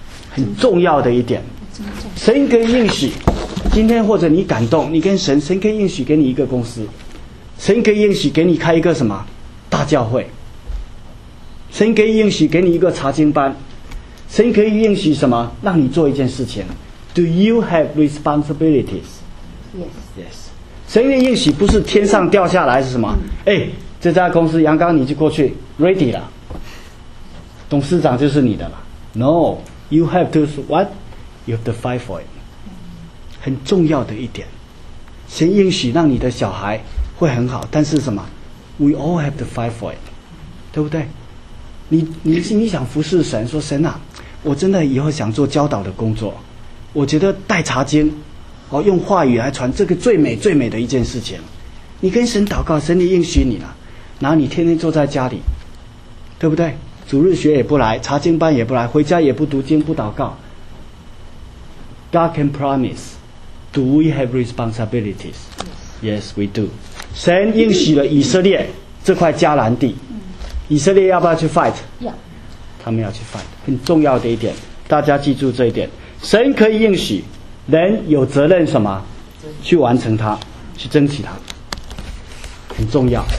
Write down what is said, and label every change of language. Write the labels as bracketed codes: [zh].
[zh] 很重要的一点，神可以应许今天，或者你感动，你跟神，神可以应许给你一个公司，神可以应许给你开一个什么大教会，神可以应许给你一个查经班，神可以应许什么让你做一件事情。 [en] Do you have responsibilities? Yes. [zh] 神的应许不是天上掉下来是什么？哎，这家公司杨刚你就过去 ready 了，董事长就是你的了。 [en] No, you have to what? You have to fight for it. [zh] 很重要的一点，神应许让你的小孩会很好，但是什么？ [en] We all have to fight for it， [zh] 对不对？你想服侍神，说神啊，我真的以后想做教导的工作，我觉得带查经，哦，用话语来传，这个最美最美的一件事情。你跟神祷告，神也应许你了，然后你天天坐在家里，对不对？主日学也不来，查经班也不来，回家也不读经不祷告。 [en] God can promise. Do we have responsibilities? Yes, we do. [zh] 神应许了以色列这块迦南地。以色列要不要去 fight？要，他们要去 fight。很重要的一点，大家记住这一点：神可以应许，人有责任什么？去完成它，去争取它，很重要。